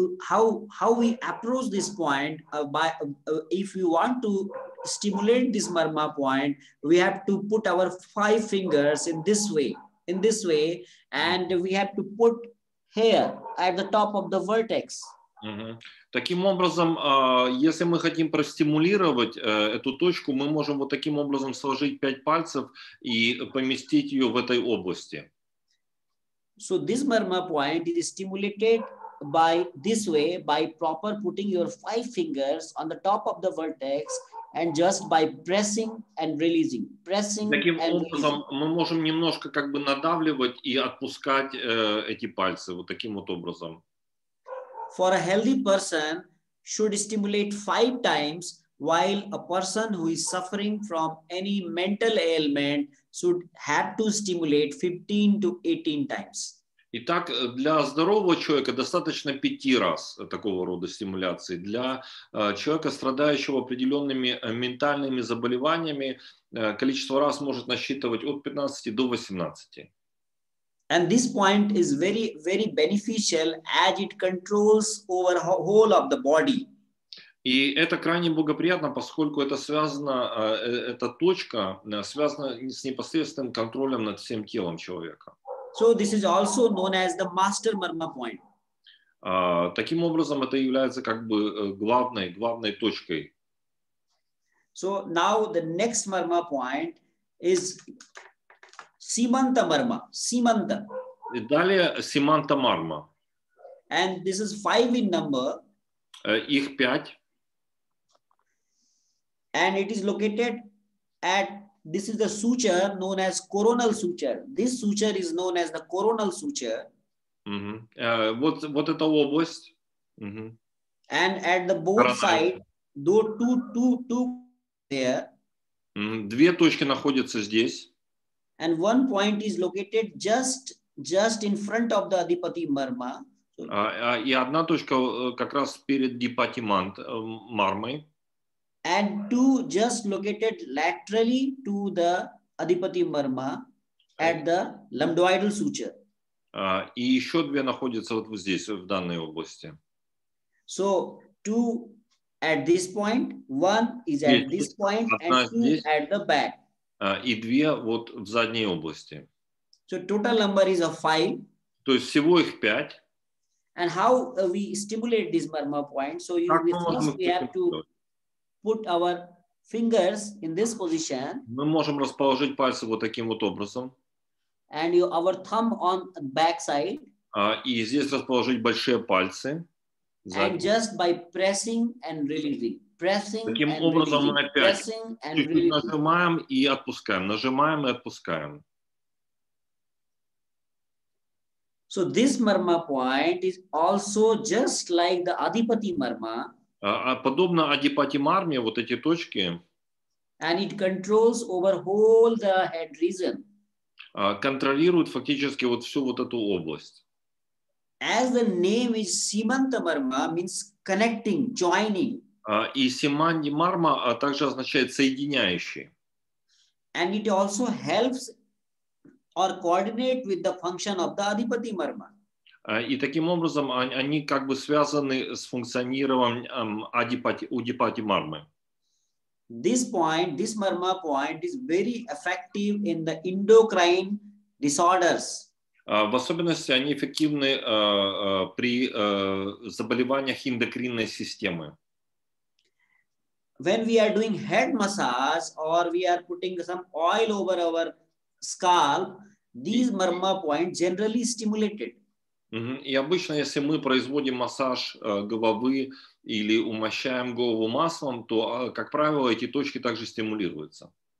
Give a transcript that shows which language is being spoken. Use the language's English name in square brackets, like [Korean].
[English] So how we approach this point if we want to stimulate this marma point, we have to put our five fingers in this way, and we have to put here at the top of the vertex. Mm-hmm. [Russian] Таким образом, если мы хотим простимулировать эту точку, мы можем вот таким образом сложить пять пальцев и поместить ее в этой области. [English] So this marma point is stimulated by this way, by proper putting your five fingers on the top of the vertex and just by pressing and releasing. Pressing [Russian] Таким [English] and [Russian] образом, [English] releasing. [Russian] Мы можем немножко как бы надавливать и отпускать эти пальцы вот таким вот образом. [English] For a healthy person should stimulate five times, while a person who is suffering from any mental ailment should have to stimulate 15 to 18 times. [Russian] Итак, для здорового человека достаточно 5 раз такого рода стимуляции. Для человека, страдающего определенными ментальными заболеваниями, количество раз может насчитывать от 15 до 18. [English] And this point is very, very beneficial as it controls over whole of the body. [Russian] И это крайне благоприятно, поскольку это связано, эта точка связана с непосредственным контролем над всем телом человека. [English] So this is also known as the master marma point. [Russian] Таким образом, это является как бы главной точкой. [English] So now the next marma point is Simanta Marma. Simanta. [Russian] И далее Simanta Marma. [English] And this is five in number. [Russian] Их пять. [English] And it is located at, this is the suture known as coronal suture. This suture is known as the coronal suture. Mm-hmm. What [Russian] это область? Mm-hmm. [English] And at the both sides, two there. Mm-hmm. [Russian] Две точки находятся здесь. [English] And one point is located just in front of the Adhipati Marma. [Russian] И одна точка как раз перед Adhipati Marma. [English] And two just located laterally to the Adhipati Marma at the lambdoidal suture. [Russian] И еще две находятся вот здесь, в данной области. [English] So, two at this point, one is at this point, and two at the back. [Russian] И две вот в задней области. [English] So, total number is of five. [Russian] То есть всего их пять. [English] And how we stimulate this Marma point? So, you first we have to put our fingers in this position. [Russian] Мы можем расположить пальцы вот таким вот образом. [English] And our thumb on the back side. [Russian] И здесь расположить большие пальцы. Задние. [English] And just by pressing and releasing. Pressing [Russian] таким [English] and [Russian] образом [English] releasing. [Russian] Мы опять чуть-чуть нажимаем и отпускаем. Нажимаем и отпускаем. [English] So this marma point is also just like the Adhipati marma. [Russian] Подобно Адхипати Марме, вот эти точки. [English] And it controls over whole the head region. [Russian] Контролирует фактически вот всю вот эту область. [English] As the name is Simanta Marma, means connecting, joining. [Russian] И Симанди Марма также означает соединяющий. [English] And it also helps or coordinate with the function of the Adhipati Marma. [Russian] И таким образом они как бы связаны с функционированием Адхипати Мармы. [English] This point, this Marma point is very effective in the endocrine disorders. [Russian] В особенности они эффективны при заболеваниях эндокринной системы. [English] When we are doing head massage or we are putting some oil over our scalp, these Marma points generally stimulated. [Russian] И обычно, если мы производим массаж головы или умощаем голову маслом, то, как правило, эти точки также стимулируются.